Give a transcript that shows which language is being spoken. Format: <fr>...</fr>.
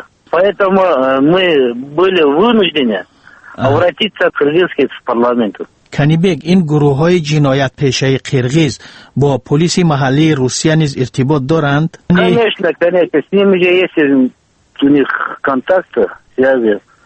<ru>Поэтому мы были вынуждены обратиться к кыргызскому парламенту.</ru> <tg>Канибек, ин гурӯҳҳои ҷинояткашии Қирғиз бо полиси маҳаллии Русия низ иртибот доранд?</tg> <ru>Конечно, конечно. С ними же есть у них контакты, связи.</ru>